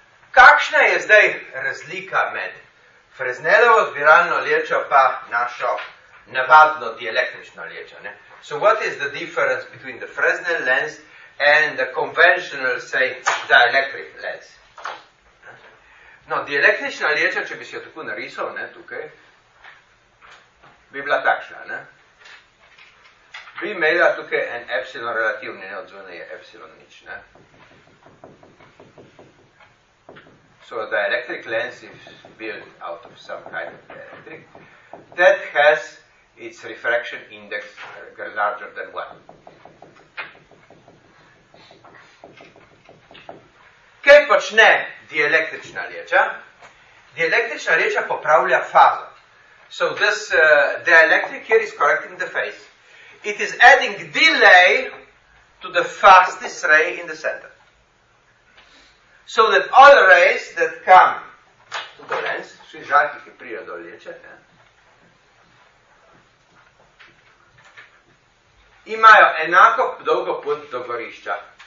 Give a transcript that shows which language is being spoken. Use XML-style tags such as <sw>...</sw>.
<sl>Kakšna je zdaj razlika med Fresnelovo zbiralno lečo pa našo navadno dielektrično lečo? Ne?</sl> <en>So what is the difference between the Fresnel lens and the conventional, say, dielectric lens?</en> <sl>No, dielektrična leča, če bi si jo tako narisal, ne, tukaj, bi bila takšna, ne? Bi imela tukaj en epsilon relativni, ne, odzvone je epsilon nič, ne?</sl> <en>So, the electric lens is built out of some kind of electric that has its refraction index larger than one.</en> <sl>Kaj počne dielektrična leča? Dielektrična leča popravlja fazo.</sl> <en>So this dielectric here is correcting the phase. It is adding delay to the fastest ray in the center. So that all rays that come to the lens,</en> <sl>so žarki, ki prijo do leče, imajo enako dolgo pot do gorišča.</sl>